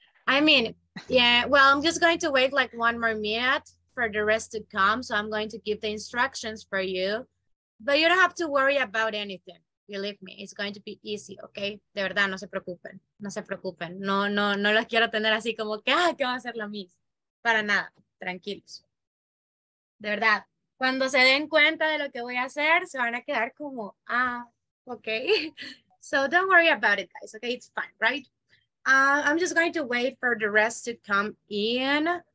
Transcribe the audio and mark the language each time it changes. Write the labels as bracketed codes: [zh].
[en] I mean, yeah, well, I'm just going to wait like one more minute for the rest to come. So I'm going to give the instructions for you. But you don't have to worry about anything. Believe me, it's going to be easy, okay? [es] De verdad, no se preocupen. No se preocupen. No, no, no los quiero tener así como que, ah, que va a ser lo mismo. Para nada. Tranquilos. De verdad. Cuando se den cuenta de lo que voy a hacer, se van a quedar como, ah, okay. [en] So don't worry about it, guys. Okay, it's fine, right? I'm just going to wait for the rest to come in.